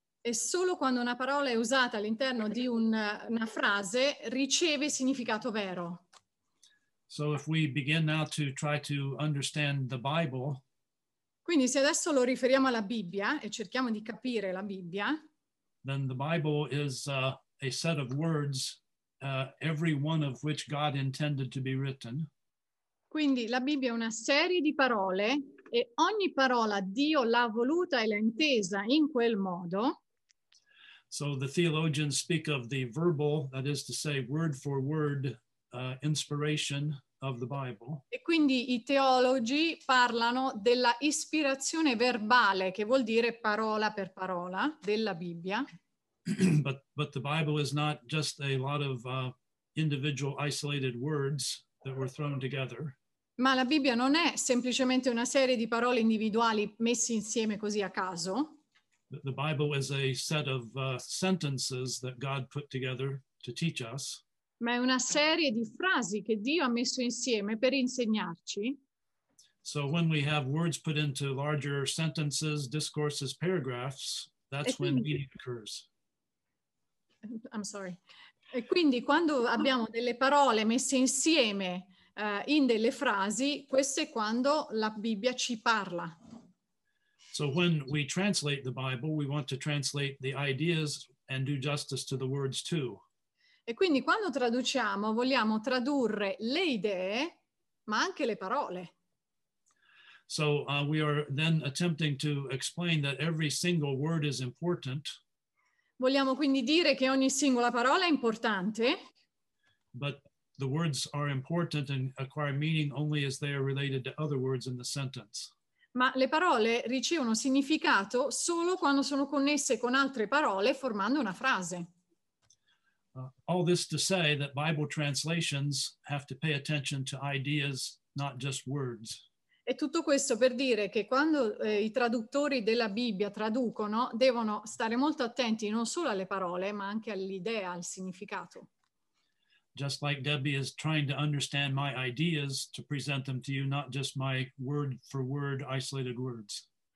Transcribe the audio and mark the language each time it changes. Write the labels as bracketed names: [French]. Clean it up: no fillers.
[Italian] E solo quando una parola è usata all'interno di una frase riceve significato vero. [English] So if we begin now to try to understand the Bible. [Italian] Quindi se adesso lo riferiamo alla Bibbia e cerchiamo di capire la Bibbia. [English] Then the Bible is a set of words, every one of which God intended to be written. [Italian] Quindi la Bibbia è una serie di parole e ogni parola Dio l'ha voluta e l'ha intesa in quel modo. [English] So the theologians speak of the verbal, that is to say word for word, inspiration of the Bible. [Italian] E quindi i teologi parlano della ispirazione verbale, che vuol dire parola per parola, della Bibbia. [English] But the Bible is not just a lot of individual isolated words that were thrown together. [Italian] Ma la Bibbia non è semplicemente una serie di parole individuali messe insieme così a caso. [English] The Bible is a set of sentences that God put together to teach us. [Italian] Ma è una serie di frasi che Dio ha messo insieme per insegnarci. [English] So when we have words put into larger sentences, discourses, paragraphs, that's when meaning occurs. I'm sorry. [Italian] E quindi quando abbiamo delle parole messe insieme in delle frasi, questo è quando la Bibbia ci parla. [English] So when we translate the Bible, we want to translate the ideas and do justice to the words too. [Italian] E quindi quando traduciamo vogliamo tradurre le idee, ma anche le parole. [English] So we are then attempting to explain that every single word is important. [Italian] Vogliamo quindi dire che ogni singola parola è importante. [English] But the words are important and acquire meaning only as they are related to other words in the sentence. [Italian] Ma le parole ricevono significato solo quando sono connesse con altre parole formando una frase. [English] All this to say that Bible translations have to pay attention to ideas, not just words. [Italian] E tutto questo per dire che quando i traduttori della Bibbia traducono, devono stare molto attenti non solo alle parole, ma anche all'idea, al significato. [English] Just like Debbie is trying to understand my ideas to present them to you, not just my word for word isolated words.